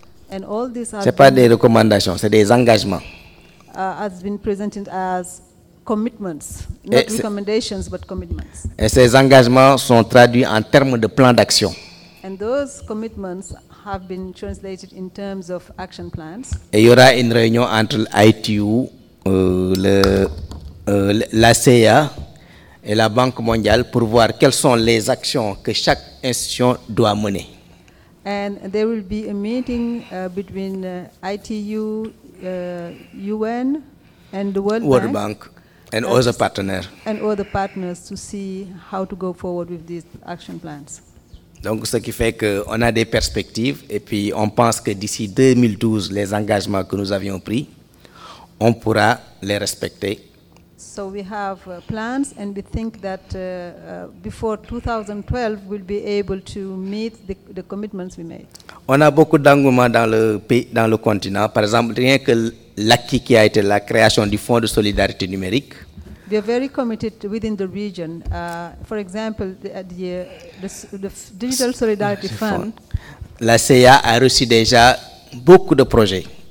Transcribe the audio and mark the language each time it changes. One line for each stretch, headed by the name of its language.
English: And all these are.
French: C'est pas des recommandations, c'est des engagements.
English: Has been presented as commitments, not recommendations, but commitments.
French: Et ces engagements sont traduits en termes de plans d'action.
English: And those commitments have been translated in terms of action plans.
French: Et il y aura une réunion entre l'ITU, la CIA et la Banque mondiale pour voir quelles sont les actions que chaque institution doit mener.
English: And there will be a meeting between ITU, UN and the World Bank. And all the partners. And all the partners to see how to go forward with these action plans.
French: Donc, ce qui fait qu'on a des perspectives et puis on pense que d'ici 2012, les engagements que nous avions pris, on pourra les respecter.
English: So we have plans and we think that before 2012, we'll be able to meet the commitments we made.
French: On a beaucoup d'engouement dans le pays, dans le continent. Par exemple, rien que l'acquis qui a été la création du Fonds de solidarité numérique.
English: We are very committed within the region. For example, the Digital Solidarity Fund.
French: La CIA a reçu déjà beaucoup de projets.